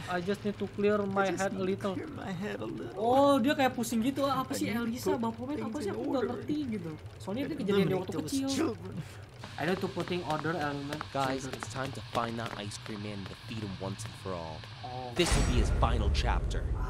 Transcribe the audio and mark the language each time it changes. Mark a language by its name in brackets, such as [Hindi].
[English] I just need to clear my head a little. [Indonesian] Oh, dia kayak pusing gitu. Apa sih Alisa, Bapak Matt, apa sih? Aku gak ngerti gitu. Soalnya ini kejadian dia waktu kecil. [English] I need to putting order element. Guys, it's time to find that ice cream man, defeat him once and for all. This will be his final chapter.